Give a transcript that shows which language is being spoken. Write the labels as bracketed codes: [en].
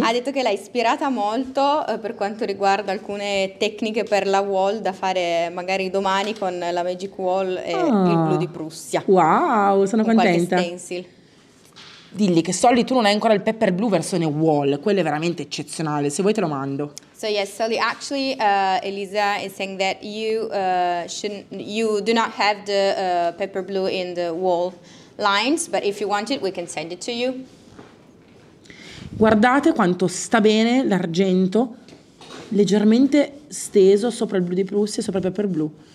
[it] Ha detto che l'ha ispirata molto per quanto riguarda alcune tecniche per la wall da fare magari domani con la Magic Wall e il blu di Prussia. Wow, sono con contenta. Qualche stencil. Dilli che Solly tu non hai ancora il pepper blu versione wall, quello è veramente eccezionale, se vuoi te lo mando. [en] So yes, Sally, actually Elisa is saying that you you do not have the paper blue in the wall lines, but if you want it, we can send it to you. [it] Guardate quanto sta bene l'argento leggermente steso sopra il blu di Prussia e sopra il paper blu.